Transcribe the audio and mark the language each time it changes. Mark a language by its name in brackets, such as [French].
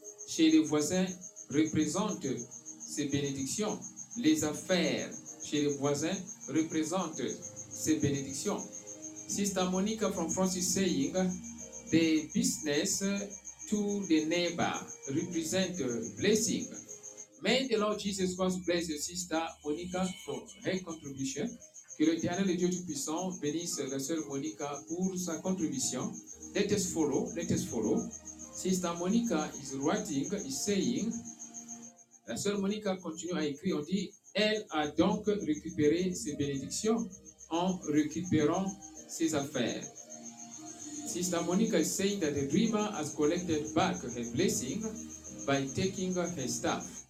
[French] chez les voisins représente ses bénédictions. Les affaires chez les voisins représentent ses bénédictions. [English] Sister Monica from France is saying, the business to the neighbor represents blessing. May the Lord Jesus Christ bless your sister Monica for her contribution. [French] Que l'Éternel Dieu Tout-Puissant bénisse la sœur Monica pour sa contribution. [English] Let us follow. Sister Monica is writing, is saying, [French] la sœur Monica continue à écrire, on dit, elle a donc récupéré ses bénédictions en récupérant ses affaires. [English] Sister Monica is saying that the dreamer has collected back her blessing by taking her stuff.